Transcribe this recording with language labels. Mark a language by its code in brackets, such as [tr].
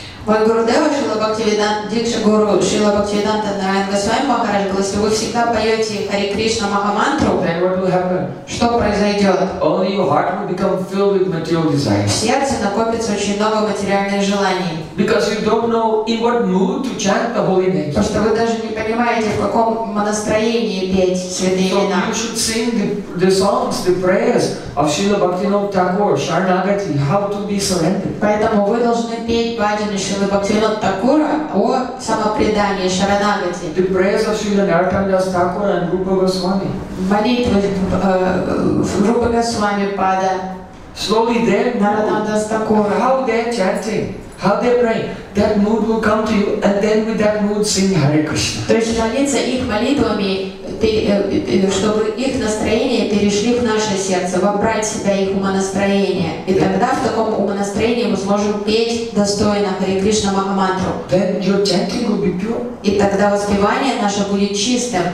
[ru] Мой Гурудев, Дикша Гуру, Шрила Бхактивиданта Нарайана Госвами Махарадж, говорил, если вы всегда поете Хари Кришна Махамантру, [en] then what will happen? [ru] Что произойдет? [en] Only your heart will become filled with material desires. [ru] В сердце накопится очень много материальных желаний. [en] Because you don't know in what mood to chant the holy names. [ru] Потому что вы даже не понимаете, в каком настроении петь святые имена. [en] So you should sing the songs, the prayers of Srila Bhaktivinoda Thakur, Sharanagati, how to be surrendered. [ru] Поэтому вы должны петь баджаны Шрилы Бхактивинода Такура о самопредании Шаранагати. [en] The prayers of Srila Narottama Thakura and Rupa Goswami. [ru] Молитвы Рупа Госвами Пада. [en] Slowly then, Narottama Thakura. How they're chanting, how they're praying, that mood will come to you, and then with that mood sing Hare Krishna. [ru] То есть молиться их молитвами, чтобы их настроение перешли в наше сердце, вобрать в себя их умонастроение. И тогда в таком умонастроении мы сможем петь достойно Хари Кришна Махамантру. [en] Then your chanting will be pure. [ru] И тогда воспевание наше будет чистым.